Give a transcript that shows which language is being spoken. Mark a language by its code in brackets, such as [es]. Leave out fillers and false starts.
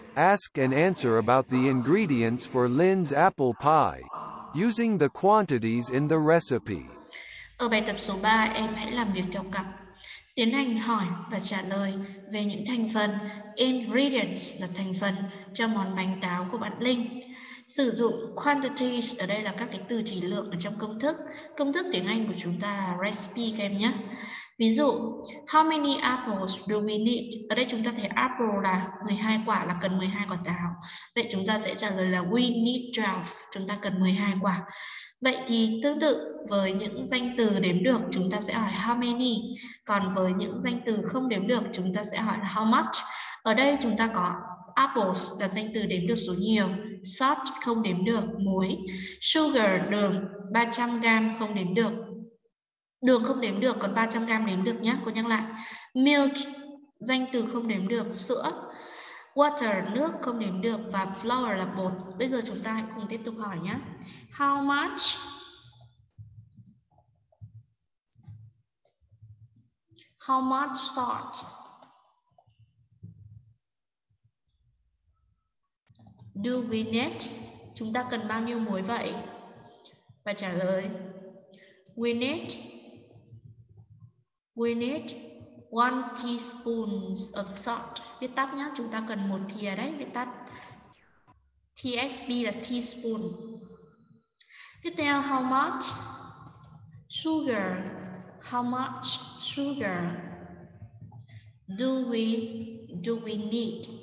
[en] Ask and answer about the ingredients for Lynn's apple pie using the quantities in the recipe. [vi] Ở bài tập số 3, em hãy làm việc theo cặp. Tiến hành hỏi và trả lời về những thành phần, ingredients là thành phần cho món bánh táo của bạn Linh. Sử dụng quantities, ở đây là các cái từ chỉ lượng ở trong công thức. Công thức tiếng Anh của chúng ta là recipe các em nhé. Ví dụ, [en] how many apples do we need? [vi] Ở đây chúng ta thấy apple là 12 quả, là cần 12 quả táo. Vậy chúng ta sẽ trả lời là [en] we need 12, [vi] chúng ta cần 12 quả. Vậy thì tương tự với những danh từ đếm được, chúng ta sẽ hỏi how many. Còn với những danh từ không đếm được, chúng ta sẽ hỏi how much. Ở đây chúng ta có apples là danh từ đếm được số nhiều. Salt không đếm được, muối. Sugar, đường 300g không đếm được. Đường không đếm được, còn 300g đếm được nhé. Cô nhắc lại. Milk, danh từ không đếm được, sữa. Water, nước không đếm được. Và flour là bột. Bây giờ chúng ta hãy cùng tiếp tục hỏi nhé. [en] How much? How much salt? Do we need? [vi] Chúng ta cần bao nhiêu muối vậy? Và trả lời. [en] We need 1 teaspoon of salt. [vi] Viết tắt nhé. Chúng ta cần 1 thìa đấy. Viết tắt. TSB là teaspoon. Tiếp theo, [en] how much sugar? How much sugar do we need?